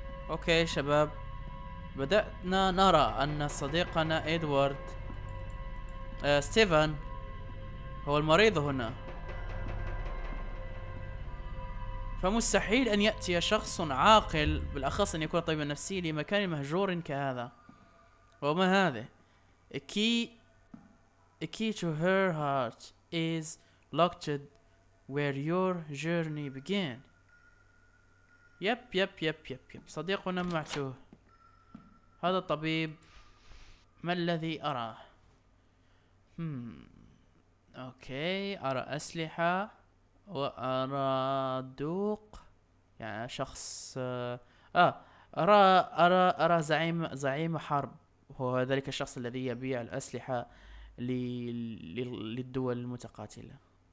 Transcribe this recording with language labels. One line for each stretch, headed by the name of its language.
Arabic: اوكي شباب، بدأنا نرى ان صديقنا ادوارد ستيفن هو المريض هنا، فمستحيل ان يأتي شخص عاقل بالاخص ان يكون طبيبا نفسي لمكان مهجور كهذا. وما هذا؟
English: A key to her heart is locked where your journey began.
Arabic: يب يب يب يب يب، صديقنا معتوه. هذا الطبيب، ما الذي أراه؟ أوكي أرى أسلحة وأرى دوق، يعني شخص أرى زعيم حرب، هو ذلك الشخص الذي يبيع الأسلحة للدول المتقاتلة.